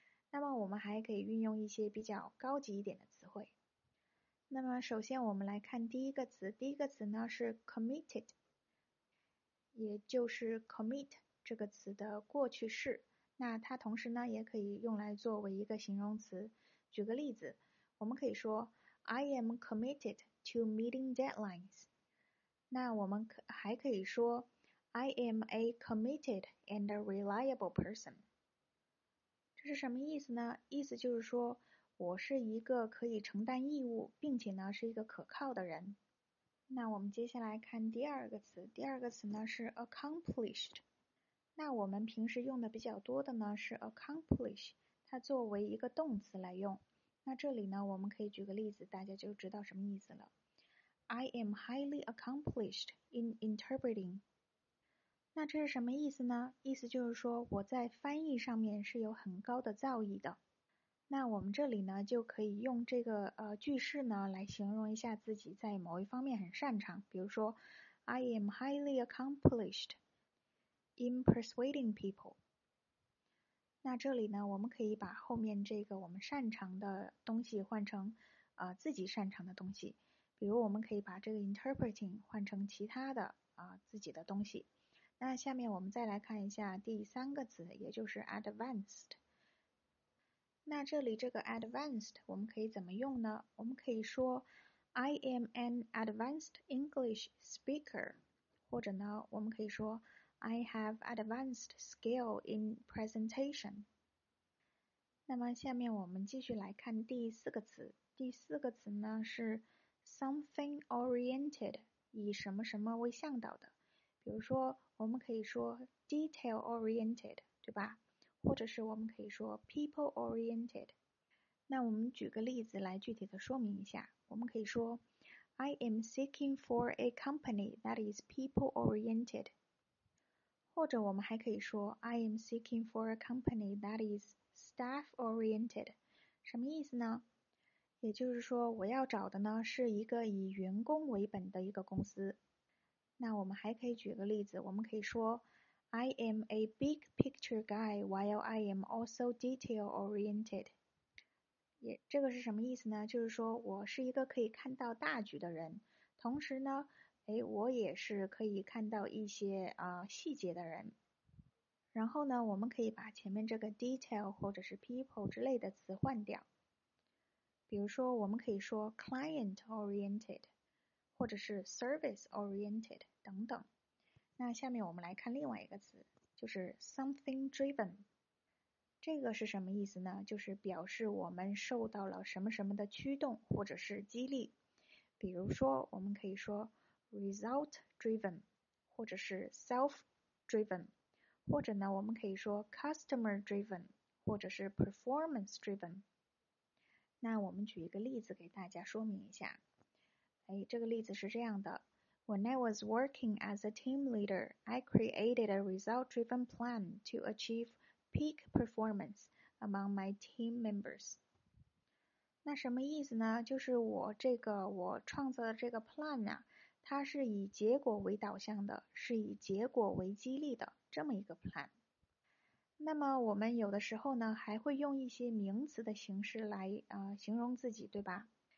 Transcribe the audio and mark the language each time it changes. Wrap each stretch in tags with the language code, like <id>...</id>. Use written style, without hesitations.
<zh>那么我们还可以运用一些比较高级一点的词汇。那么首先我们来看第一个词，第一个词呢是 committed，也就是 commit 这个词的过去式。那它同时呢也可以用来作为一个形容词。举个例子，我们可以说</zh> <en>I am committed to meeting deadlines。</en> <zh>那我们还可以说</zh> <en>I am a committed and a reliable person。</en> <zh>这是什么意思呢？意思就是说我是一个可以承担义务，并且呢是一个可靠的人。那我们接下来看第二个词，第二个词呢是 accomplished。那我们平时用的比较多的呢是 accomplish，它作为一个动词来用。那这里呢我们可以举个例子，大家就知道什么意思了。</zh> <en>I am highly accomplished in interpreting。</en> <zh>那这是什么意思呢？意思就是说我在翻译上面是有很高的造诣的。那我们这里呢，就可以用这个句式呢来形容一下自己在某一方面很擅长。</zh> <en>比如说，I am highly accomplished in persuading people。</en> <zh>那这里呢，我们可以把后面这个我们擅长的东西换成自己擅长的东西。比如，我们可以把这个 interpreting 换成其他的自己的东西。那下面我们再来看一下第三个词，也就是 advanced。那这里这个 advanced 我们可以怎么用呢？我们可以说</zh> <en>I am an advanced English speaker，</en> <zh>或者呢，我们可以说</zh> <en>I have advanced skill in presentation。</en> <zh>那么下面我们继续来看第四个词，第四个词呢是 something oriented，以什么什么为向导的。比如说，我们可以说 detail oriented，对吧？或者是我们可以说 people oriented。那我们举个例子来具体的说明一下。我们可以说，</zh> <en>I am seeking for a company that is people oriented。</en> <zh>或者我们还可以说，</zh> <en>I am seeking for a company that is staff oriented。</en> <zh>什么意思呢？也就是说，我要找的呢是一个以员工为本的一个公司。那我们还可以举个例子，我们可以说，</zh> <en>I am a big picture guy while I am also detail oriented。</en> <zh>也，这个是什么意思呢？就是说我是一个可以看到大局的人，同时呢，哎，我也是可以看到一些细节的人。然后呢，我们可以把前面这个 detail 或者是 people 之类的词换掉，比如说我们可以说 client oriented，或者是 service oriented。等等，那下面我们来看另外一个词，就是 something driven。这个是什么意思呢？就是表示我们受到了什么什么的驱动或者是激励。比如说，我们可以说 result driven， 或者是 self driven， 或者呢，我们可以说 customer driven， 或者是 performance driven。那我们举一个例子给大家说明一下。哎，这个例子是这样的。</zh> <en>When I was working as a team leader, I created a result-driven plan to achieve peak performance among my team members.</en> <zh>那什么意思呢？就是我创造的这个 plan 啊，它是以结果为导向的，是以结果为激励的，这么一个 plan。那么我们有的时候呢，还会用一些名词的形式来形容自己，对吧？</zh>